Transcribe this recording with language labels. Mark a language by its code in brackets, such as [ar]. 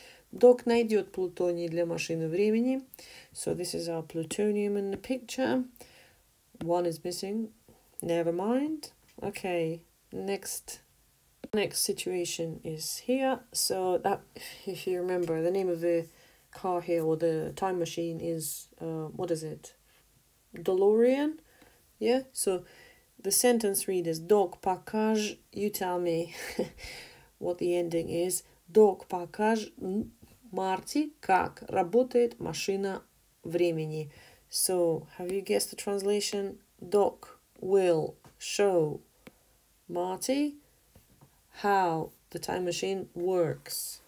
[ru] Док найдет плутоний для машины времени. [en] So this is our plutonium in the picture. One is missing. Never mind. Okay, next situation is here. So that, if you remember, the name of the car here, or the time machine, is what is it? DeLorean. Yeah. So the sentence read is Doc [ru] покаж. [en] You tell me what the ending is. [ru] Doc покаж Марти как работает машина времени. [en] So have you guessed the translation? Doc will show Marty how the time machine works.